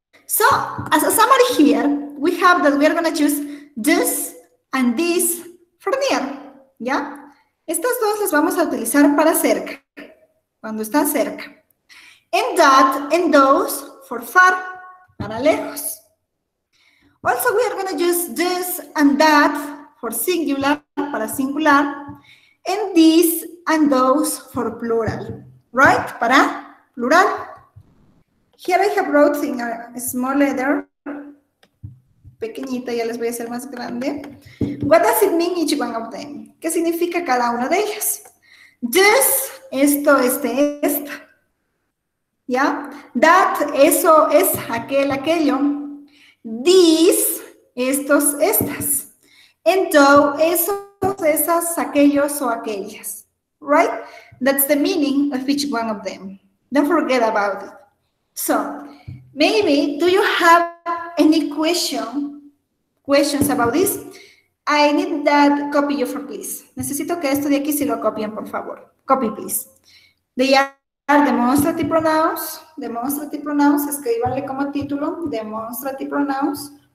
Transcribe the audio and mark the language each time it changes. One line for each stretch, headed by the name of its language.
English: So, as a summary here, we have that we are going to choose this and this for near.
Spanish: ¿Ya? Estas dos las vamos a utilizar para cerca, cuando está cerca.
English: And that and those for far,
Spanish: para lejos.
English: Also, we are going to use this and that for singular,
Spanish: para singular.
English: And this and those for plural, right?
Spanish: Para plural.
English: Here I have wrote in a small letter,
Spanish: pequeñita, ya les voy a hacer más grande.
English: What does it mean each one of them?
Spanish: ¿Qué significa cada una de ellas? This, esto, este, esta. ¿Ya? That, eso, es, aquel, aquello. These, estos, estas. And though, esos, esas, aquellos o aquellas.
English: Right? That's the meaning of each one of them. Don't forget about it. So, maybe, do you have any questions about this? I need that copy you for please.
Spanish: Necesito que esto de aquí si lo copien, por favor.
English: Copy, please. They are demonstrative pronouns. Demonstrative pronouns,
Spanish: escríbanle como título.
English: Demonstrative pronouns.